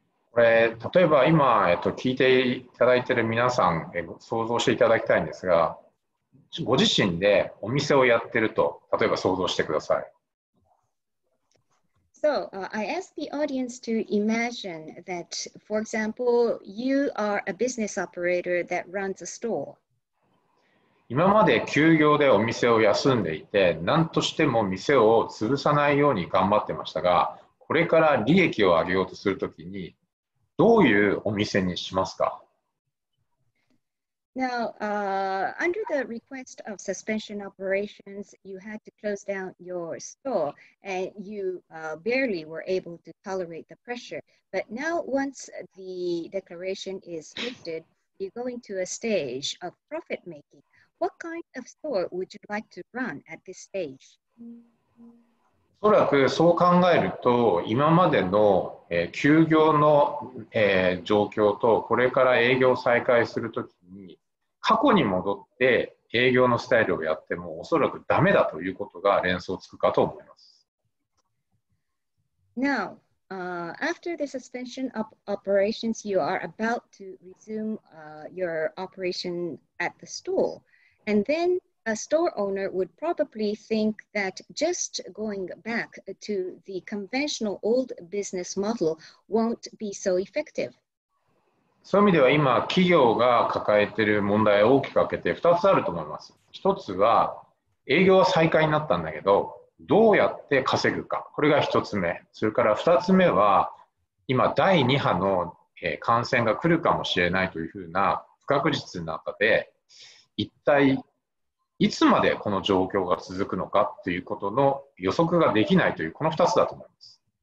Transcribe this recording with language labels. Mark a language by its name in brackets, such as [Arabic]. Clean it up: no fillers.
[Japanese] これ例えば今、聞いていただいている皆さん、想像していただきたいんですが、ご自身でお店をやってると、例えば想像してください。 [English] So, I ask the audience to imagine that, for example, you are a business operator that runs a store. [Japanese] 今まで休業でお店を休んでいて、何としても店を潰さないように頑張ってましたが、これから利益を上げようとするときに、どういうお店にしますか? [English] Now, under the request of suspension operations, you had to close down your store, and you barely were able to tolerate the pressure. But now, once the declaration is lifted, you're going to a stage of profit making. What kind of store would you like to run at this stage? [Japanese] おそらくそう考えると、今までの、休業の、状況とこれから営業再開するときに、過去に戻って営業のスタイルをやってもおそらくダメだということが連想つくかと思います。 [English] Now, after the suspension of operations, you are about to resume your operation at the store, and then... A store owner would probably think that just going back to the conventional old business model won't be so effective. [Japanese] そういう意味では今企業が抱えている問題を大きく分けて2つあると思います。 1つは営業は再開になったんだけどどうやって稼ぐか。これが1つ目。それから2つ目は今第2波の感染が来るかもしれないというふうな不確実な中で一体いつまでこの状況が続くのかということの予測ができないというこの2つだと思います。